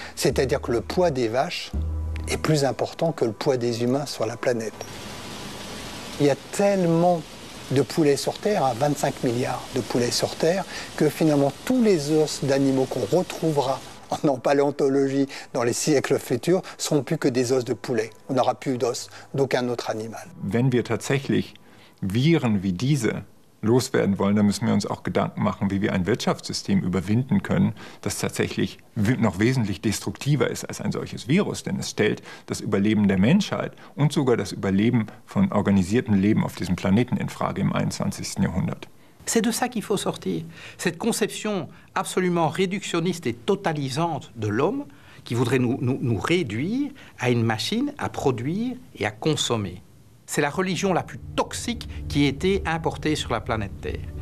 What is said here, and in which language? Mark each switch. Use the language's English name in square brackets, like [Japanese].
[French] C'est-à-dire que le poids des vaches est plus important que le poids des humains sur la planète. Il y a tellement de poulets sur Terre, hein, 25 milliards de poulets sur Terre, que finalement tous les os d'animaux qu'on retrouvera en paléontologie dans les siècles futurs seront plus que des os de poulets. On n'aura plus d'os d'aucun autre animal. [German] Wenn wir tatsächlich Viren wie diese loswerden wollen, dann müssen wir uns auch Gedanken machen, wie wir ein Wirtschaftssystem überwinden können, das tatsächlich noch wesentlich destruktiver ist als ein solches Virus. Denn es stellt das Überleben der Menschheit und sogar das Überleben von organisiertem Leben auf diesem Planeten in Frage im 21. Jahrhundert. [French] C'est de ça qu'il faut sortir. Cette conception absolument réductionniste et totalisante de l'homme qui voudrait nous réduire à une machine à produire et à consommer. C'est la religion la plus toxique qui ait été importée sur la planète Terre.